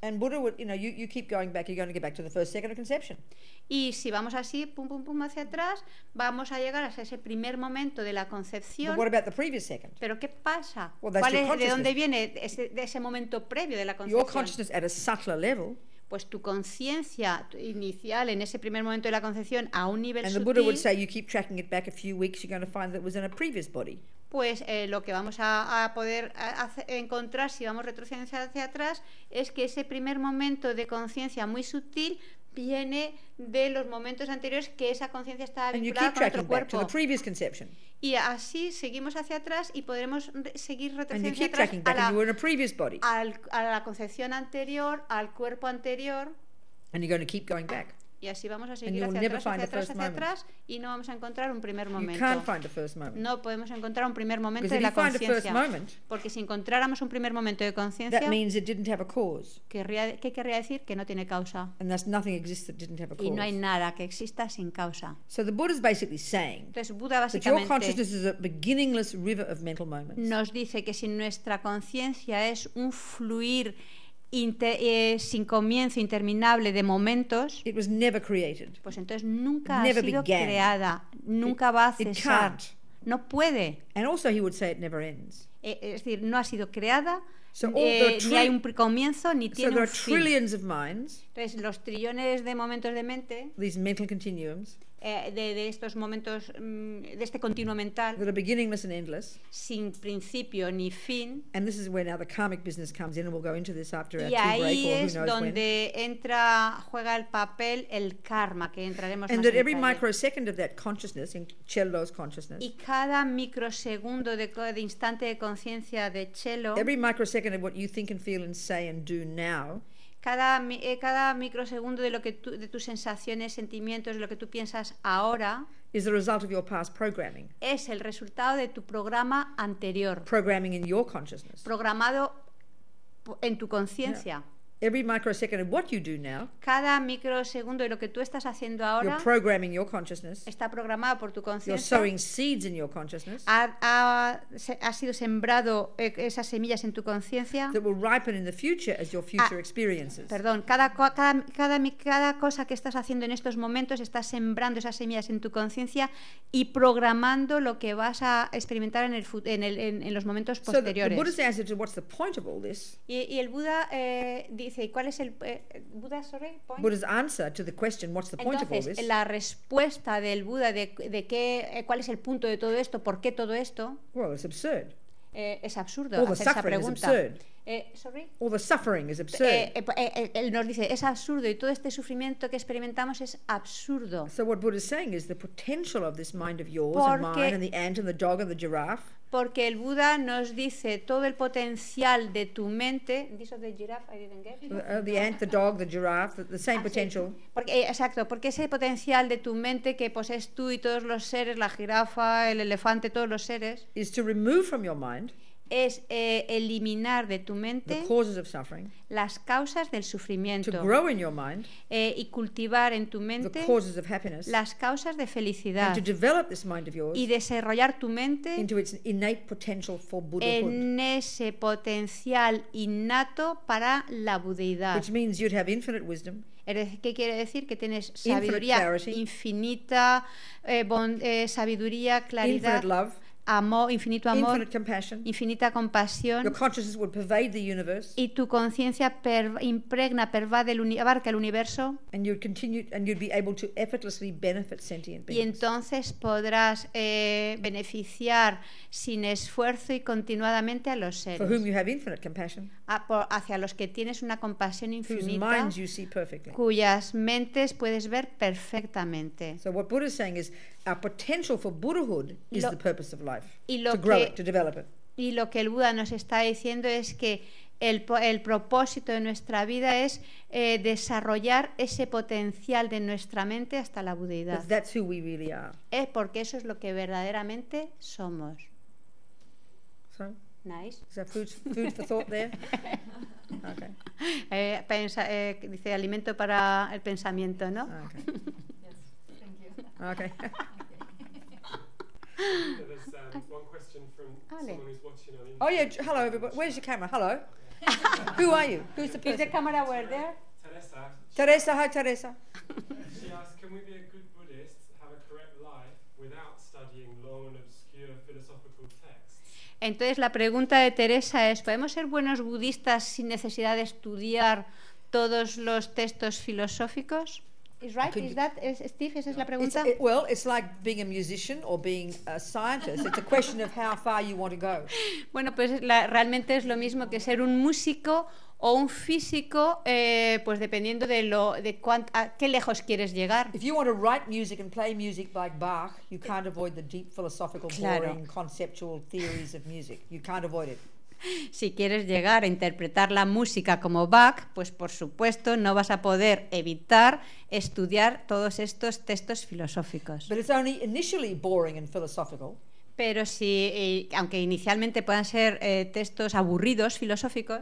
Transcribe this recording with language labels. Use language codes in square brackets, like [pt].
[en] And Buddha would, you know, you keep going back, you're going to get back to the first second of conception. [es] Y si vamos así, pum pum pum hacia atrás, vamos a llegar hasta ese primer momento de la concepción. [en] But what about the previous second? [es] Pero ¿qué pasa? [en] Well, that's [es] ¿cuál [en] your consciousness. [es] ¿De dónde viene ese momento previo de la concepción? [en] Your consciousness at a subtler level. [es] Pues tu conciencia inicial en ese primer momento de la concepción a un nivel sutil. [en] And the Buddha would say you keep tracking it back a few weeks, you're going to find that it was in a previous body. [es] Pues lo que vamos a poder encontrar si vamos retrocediendo hacia atrás es que ese primer momento de conciencia muy sutil viene de los momentos anteriores que esa conciencia estaba vinculada con otro cuerpo. [en] To the previous conception. [es] Y así seguimos hacia atrás y podremos seguir retrocediendo atrás a la concepción anterior, al cuerpo anterior. [en] And you're going to keep going back. [es] Y así vamos a seguir hacia atrás, hacia atrás, hacia atrás, y no vamos a encontrar un primer momento. [en] You can't find a first moment. [es] No podemos encontrar un primer momento de la conciencia. Porque si encontráramos un primer momento de conciencia, [en] that means it didn't have a cause. [es] ¿Qué querría decir? Que no tiene causa. [en] And there's nothing exists that didn't have a cause. [es] Y no hay nada que exista sin causa. [en] So the Buddha is basically saying, [es] entonces Buda básicamente, [en] that your consciousness is a beginningless river of mental moments. [es] Nos dice que si nuestra conciencia es un fluir sin comienzo interminable de momentos, [en] it was never created. [es] Pues entonces nunca [en] it never [es] ha sido [en] began. [es] Creada, nunca [en] it, [es] va a cesar, [en] it can't. [es] No puede. [en] And also he would say it never ends. [es] Es decir, no ha sido creada, [en] so [es] ni hay un comienzo ni tiene [en] so [es] un fin. [en] Trillions of minds, [es] entonces los trillones de momentos de mente, [en] these mental continuums, [es] de estos momentos, de este continuo mental, [en] that are beginningless and endless, [es] sin principio ni fin. [en] And this is where now the karmic business comes in, and we'll go into this after our tea break, or who knows when. [es] Y ahí es donde entra, juega el papel el karma, que entraremos. [en] And that every microsecond of that consciousness, in Chelo's consciousness, [es] y cada microsegundo de instante de conciencia de Chelo, [en] every microsecond of what you think and feel and say and do now. [es] Cada microsegundo de lo que tú, de tus sensaciones, sentimientos, de lo que tú piensas ahora, [en] is the result of your past programming. [es] Es el resultado de tu programa anterior. [en] Programming in your consciousness. [es] Programado en tu conciencia. [en] Yeah. Every microsecond of what you do now. [es] Cada microsegundo de lo que tú estás haciendo ahora. [en] You're programming your consciousness. [es] Está programado por tu conciencia. [en] You're sowing seeds in your consciousness. [es] Ha sido sembrado esas semillas en tu conciencia. [en] That will ripen in the future as your future experiences. [es] Perdón, cada cosa que estás haciendo en estos momentos está sembrando esas semillas en tu conciencia y programando lo que vas a experimentar en los momentos posteriores. [en] So the Buddha's answer to what's the point of all this? [es] Y el Buda dice, ¿cuál es el [en] Buddha, sorry, point? Buddha's answer to the question, what's the point [es] entonces, [en] of all this? [es] La respuesta del Buda de qué, cuál es el punto de todo esto, por qué todo esto. [en] Well, it's absurd. [es] Es absurdo hacer esa pregunta. [en] Sorry? All the suffering is absurd. [es] Él nos dice, es absurdo y todo este sufrimiento que experimentamos es absurdo. [en] So what Buddha is saying is the potential of this mind of yours and mine and the ant and the dog and the giraffe. [es] Porque el Buda nos dice todo el potencial de tu mente. [en] The giraffe, I didn't get. The ant, the dog, the giraffe, the same potential. [es] Sí. Porque ese potencial de tu mente que posees tú y todos los seres, la jirafa, el elefante, todos los seres. [en] Is to remove from your mind. [es] Es eliminar de tu mente [en] the causes of suffering, [es] las causas del sufrimiento [en] to grow in your mind, [es] y cultivar en tu mente [en] the causes of happiness, [es] las causas de felicidad [en] and to develop this mind of yours, [es] y desarrollar tu mente [en] into its innate potential for Buddhahood, [es] en ese potencial innato para la budeidad, [en] which means you'd have infinite wisdom, [es] ¿qué quiere decir? Que tienes sabiduría infinita, sabiduría, claridad, [en] infinite love, [es] amor, infinito amor, [en] infinite compassion, [es] infinita compasión, [en] your consciousness would pervade the universe, [es] y tu conciencia abarca el universo, [en] and you'd continue, and you'd be able to effortlessly benefit sentient beings. [es] Y entonces podrás beneficiar sin esfuerzo y continuadamente a los seres [en] for whom you have infinite compassion, [es] hacia los que tienes una compasión infinita, [en] whose minds you see perfectly, [es] cuyas mentes puedes ver perfectamente. [en] So what Buddha is saying is our potential for Buddhahood is the purpose of life, to grow it, to develop it. [es] Y lo que el Buda nos está diciendo es que el propósito de nuestra vida es desarrollar ese potencial de nuestra mente hasta la budeidad. [en] That's who we really are. [es] Es porque eso es lo que verdaderamente somos. [en] So, nice. Is that food for thought there? Okay. [es] Dice alimento para el pensamiento, ¿no? [en] Okay. Okay. There's one question from Ali. Someone who's watching on Instagram. Oh yeah, hello everybody. Where's your camera? Hello. Who are you? Who's the person? Is the camera where there? Teresa. Teresa, hi Teresa. She asked, can we be a good Buddhist, have a correct life without studying long and obscure philosophical texts? [es] Entonces la pregunta de Teresa es, ¿podemos ser buenos budistas sin necesidad de estudiar todos los textos filosóficos? [en] Is right? Is that is Steve? Is this [es] la pregunta? [en] It's, well, it's like being a musician or being a scientist. It's a question of how far you want to go. [es] Bueno, pues realmente es lo mismo que ser un músico o un físico, pues dependiendo de lo de cuánto, a qué lejos quieres llegar. [en] If you want to write music and play music like Bach, you can't avoid the deep philosophical, [es] claro, [en] boring conceptual theories of music. You can't avoid it. [es] Si quieres llegar a interpretar la música como Bach, pues por supuesto no vas a poder evitar estudiar todos estos textos filosóficos. [en] But it's only initially boring and philosophical. [es] Pero si, aunque inicialmente puedan ser textos aburridos, filosóficos,